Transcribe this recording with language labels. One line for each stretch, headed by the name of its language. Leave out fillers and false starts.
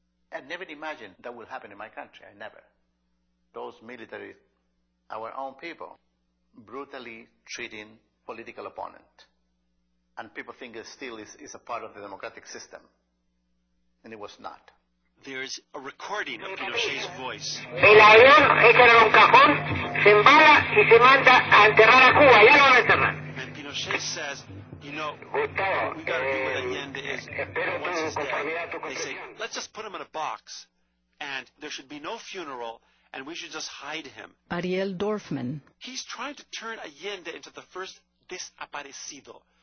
English: I never imagined that would happen in my country. I never. Those military, our own people, brutally treating political opponent. And people think it still is a part of the democratic system. And it was not. There's a recording of Pinochet's voice.
Spanish: El avión echa en un cajón, se embala y se manda a enterrar a Cuba. Ya lo van a enterrar.
English: And Pinochet says, you know, Gustavo, what we got to do with Allende is, once he's dead, they say, let's just put him in a box, and there should be no funeral, and we should just hide him. Ariel Dorfman. He's trying to turn Allende into the first desaparecido.